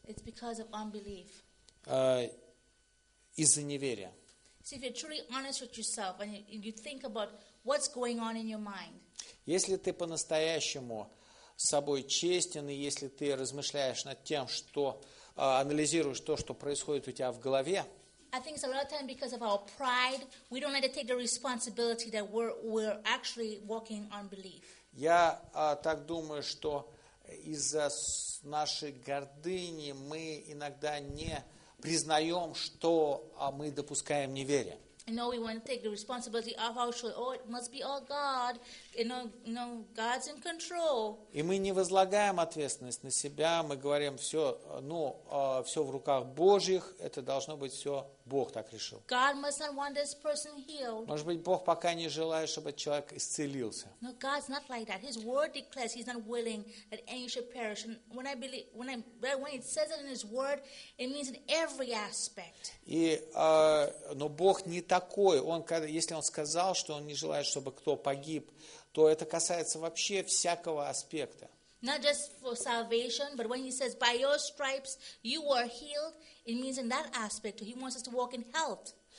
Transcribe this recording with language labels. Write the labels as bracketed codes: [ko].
[en] It's because of unbelief. [ru] Из-за неверия. [en] So if you're truly honest with yourself and you think about what's going on in your mind. [ru] Если ты по-настоящему с собой честен, и если ты размышляешь над тем, что анализируешь то, что происходит у тебя в голове. [en] I think it's a lot of time because of our pride. We don't like to take the responsibility that we're actually walking on belief. [ru] Я так думаю, что из-за нашей гордыни мы иногда не признаем, что мы допускаем неверие. [en] You know, we want to take the responsibility of our choice. Oh, it must be all God. You know, God's in control. [ru] И мы не возлагаем ответственность на себя. Мы говорим, все в руках Божьих. Это должно быть все, Бог так решил. [en] God must not want this person healed. [ru] Может быть, Бог пока не желает, чтобы человек исцелился. [en] No, God's not like that. His word declares he's not willing that any should perish. And when it says it in his word, it means in every aspect. [ru] Но Бог не такой. Если он сказал, что он не желает, чтобы кто погиб, то это касается вообще всякого аспекта. [en] Not just for salvation, but when he says, by your stripes you were healed, it means in that aspect, he wants us to walk in health.